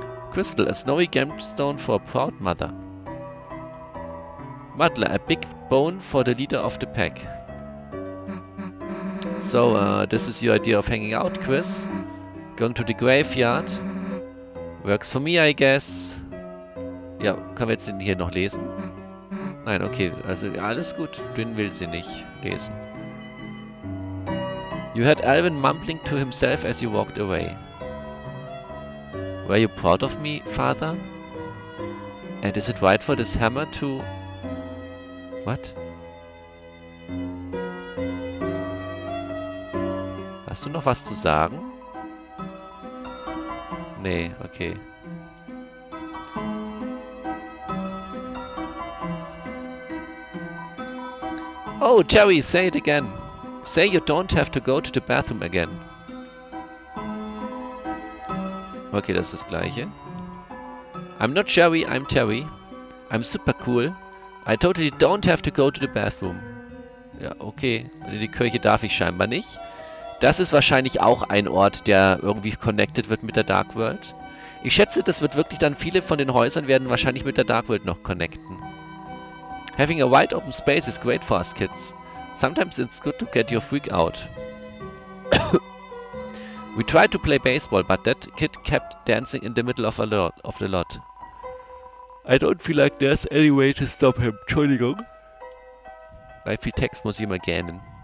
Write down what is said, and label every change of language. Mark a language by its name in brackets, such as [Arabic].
[English] Crystal, a snowy gemstone for a proud mother. Muddler, a big bone for the leader of the pack. So, this is your idea of hanging out, Chris. Going to the graveyard. Works for me, I guess. [German] Ja, können wir jetzt den hier noch lesen? Nein, okay, also alles gut. Den will sie nicht lesen. [English] You heard Alvin mumbling to himself as you walked away. Were you proud of me, father? And is it right for this hammer to... What? [German] Hast du noch was zu sagen? Nee, okay. [English] Oh, Jerry, say it again. Say you don't have to go to the bathroom again. [German] Okay, das ist das Gleiche. [English] I'm not Jerry, I'm Terry. I'm super cool. I totally don't have to go to the bathroom. [German] Ja, okay. In die Kirche darf ich scheinbar nicht. Das ist wahrscheinlich auch ein Ort, der irgendwie connected wird mit der Dark World. Ich schätze, das wird wirklich dann viele von den Häusern werden wahrscheinlich mit der Dark World noch connecten. [English] Having a wide open space is great for us kids. Sometimes it's good to get your freak out. We tried to play baseball, but that kid kept dancing in the middle of the lot. I don't feel like there's any way to stop him. [German] Entschuldigung. Bei viel Text muss ich immer gähnen.